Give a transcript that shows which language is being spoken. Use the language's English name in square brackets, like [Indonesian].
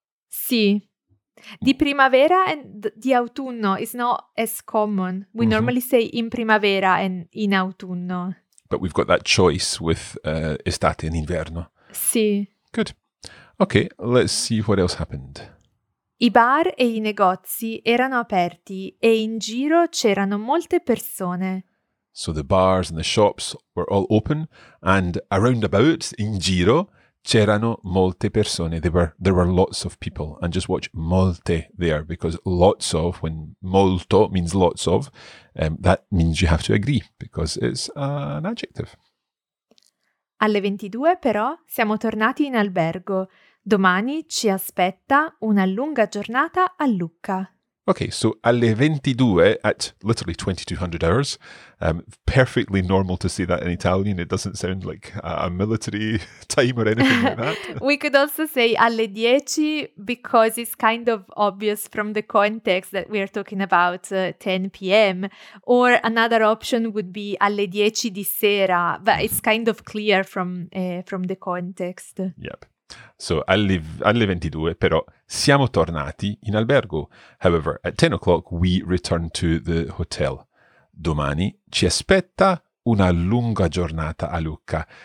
[English] Sì. [Italian] Di primavera [English] and [Italian] di autunno [English] is not as common. We mm-hmm. normally say [Italian] in primavera [English] and [Italian] in autunno. [English] But we've got that choice with estate and inverno. [Italian] Sì. [English] Good. Okay, let's see what else happened. [Italian] I bar e i negozi erano aperti e in giro c'erano molte persone. [English] So the bars and the shops were all open and around about, [Italian] in giro, c'erano molte persone. [English] There were lots of people. And just watch molte there, because lots of, when molto means lots of, that means you have to agree, because it's an adjective. [Italian] Alle 22, però, siamo tornati in albergo. Domani ci aspetta una lunga giornata a Lucca. [English] Okay, so [Italian] alle 22, [English] at literally 2200 hours, perfectly normal to say that in Italian. It doesn't sound like a military time or anything like that. We could also say [Italian] alle 10, [English] because it's kind of obvious from the context that we are talking about 10 p.m. Or another option would be [Italian] alle 10 di sera, [English] but it's kind of clear from the context. Yep. [Italian] So, alle 22, però, siamo tornati in albergo. [English] However, at 10 o'clock, we return to the hotel. [Italian] Domani ci aspetta una lunga giornata a Lucca.